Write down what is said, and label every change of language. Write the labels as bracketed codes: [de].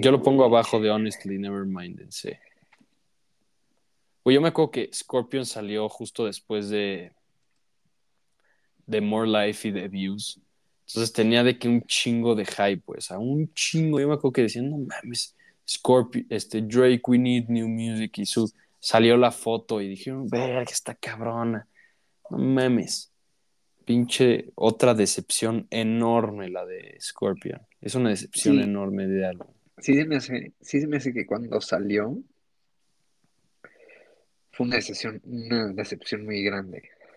[es] Yo lo pongo abajo de Honestly, Nevermind en C. Güey, yo me acuerdo que Scorpion salió justo después de More Life y de Views. Entonces tenía de que un chingo de hype, pues, a un chingo. Yo me acuerdo que decían, no mames. [en] Scorpion, Drake, we need new music. [es] Y salió la foto y dijeron, verga, esta cabrona. No mames. Pinche otra decepción enorme la de Scorpion. Es una decepción enorme de algo. Sí, se me hace que cuando salió fue una decepción muy grande.